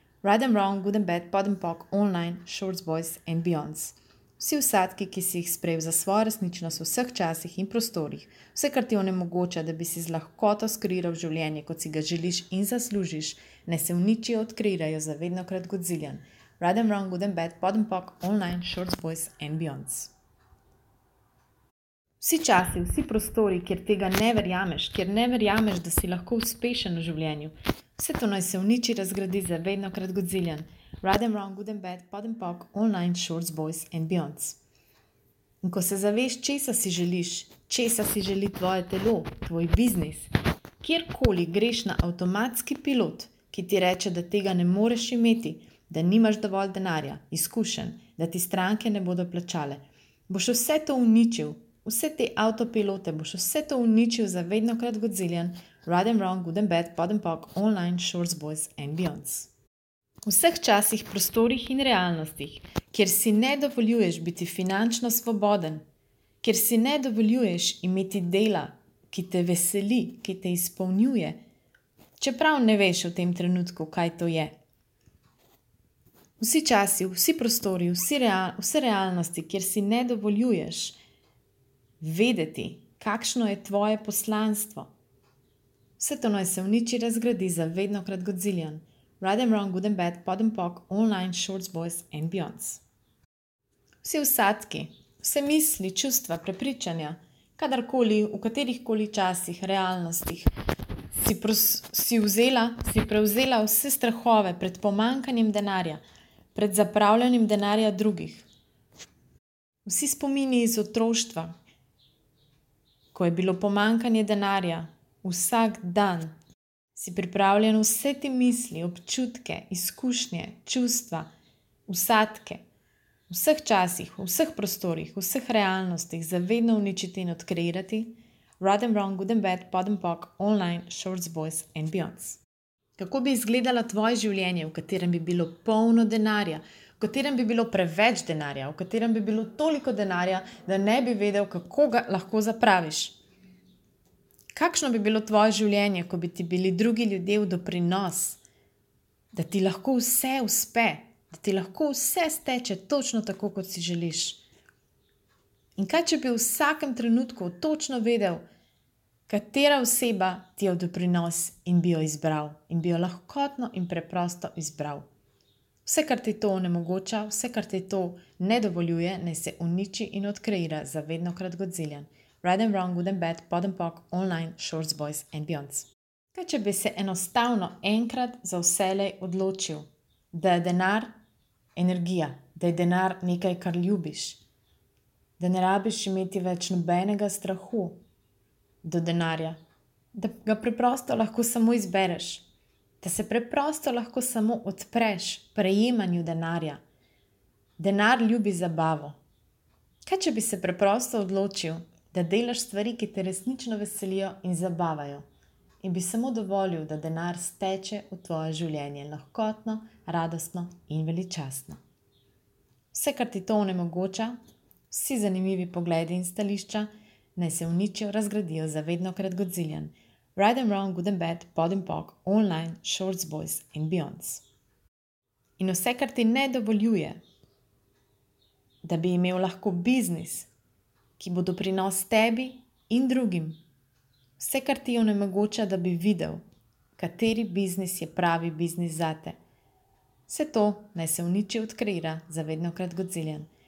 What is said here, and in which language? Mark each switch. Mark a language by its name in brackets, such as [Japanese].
[English] Right and wrong, good and bad, pod and pok, online, shorts, boys and beyonds. [Slovenian] Vsi vsadki, ki si jih sprejel za svojo resničnost v vseh časih in prostorih, vse, kar ti onemogoča, da bi si z lahkoto skreiral življenje, kot si ga želiš in zaslužiš, naj se uničijo, odkreirajo za vedno krat godziljan. [English] Right and wrong, good and bad, pod and pok, online, shorts, boys and beyonds. [Slovenian] Vsi časi, vsi prostori, kjer tega ne verjameš, kjer ne verjameš, da si lahko uspešen v življenju, vse to naj se uniči, razgradi za vedno krat godziljan. [English] Right and wrong, good and bad, pod and pok, online, shorts, boys and beyonds. [Slovenian] In ko se zaveš, česa si želiš, česa si želi tvoje telo, tvoj biznis, kjerkoli greš na avtomatski pilot, ki ti reče, da tega ne moreš imeti, da nimaš dovolj denarja, izkušen, da ti stranke ne bodo plačale, boš vse to uničil, vse te avtopilote, boš vse to uničil za vedno krat godziljan. [English] Right and wrong, good and bad, pod and pok, online, shorts, boys and beyonds. [Slovenian] V vseh časih, prostorih in realnostih, kjer si ne dovoljuješ biti finančno svoboden, kjer si ne dovoljuješ imeti dela, ki te veseli, ki te izpolnjuje, čeprav ne veš v tem trenutku, kaj to je. Vsi časi, vsi prostori, vse realnosti, kjer si ne dovoljuješ vedeti, kakšno je tvoje poslanstvo, vse to naj se uniči, razgradi za vedno krat godziljan. [English] Right and wrong, good and bad, pod and pok, online, shorts, boys and beyonds. [Slovenian] Vsi vsadki, vse misli, čustva, prepričanja, kadarkoli, v katerihkoli časih, realnostih, si prevzela vse strahove pred pomankanjem denarja, pred zapravljanjem denarja drugih. Vsi spomini iz otroštva, ko je bilo pomankanje denarja, vsak dan, Si pripravljen vse te misli, občutke, izkušnje, čustva, vsadke, v vseh časih, v vseh prostorih, v vseh realnostih zavedno uničiti in odkreirati? [English] Right and wrong, good and bad, pod and pock, online, shorts, voice and beyonds. [Slovenian] Kako bi izgledala tvoje življenje, v katerem bi bilo polno denarja, v katerem bi bilo preveč denarja, v katerem bi bilo toliko denarja, da ne bi vedel, kako ga lahko zapraviš? Kakšno bi bilo tvoje življenje, ko bi ti bili drugi ljudje v doprinos, da ti lahko vse uspe, da ti lahko vse steče točno tako, kot si želiš? In kaj, če bi v vsakem trenutku točno vedel, katera oseba ti je v doprinos in bi jo izbral in bi jo lahkotno in preprosto izbral? Vse, kar ti to onemogoča, vse, kar ti to ne dovoljuje, naj se uniči in odkreira za vedno krat godziljan. [English] Right and wrong, good and bad, pod and pock, online, shorts, boys and beyonds. [Slovenian] Kaj, če bi se enostavno enkrat za vselej odločil, da je denar energija, da je denar nekaj, kar ljubiš, da ne rabiš imeti več nobenega strahu do denarja, da ga preprosto lahko samo izbereš, da se preprosto lahko samo odpreš prejemanju denarja. Denar ljubi zabavo. Kaj, če bi se preprosto odločil, da delaš stvari, ki te resnično veselijo in zabavajo, in bi samo dovolil, da denar steče v tvoje življenje lahkotno, radostno in veličastno? Vse, kar ti to onemogoča, vsi zanimivi pogledi in stališča, naj se uničijo, razgradijo za vedno krat godziljan. [English] Right and wrong, good and bad, pod and pock, online, shorts, boys and beyonds. [Slovenian] In vse, kar ti ne dovoljuje, da bi imel lahko biznis, ki bo doprinos tebi in drugim, vse, kar ti onemogoča, da bi videl, kateri biznis je pravi biznis zate, vse to naj se uniči, odkreira za vedno krat godziljan.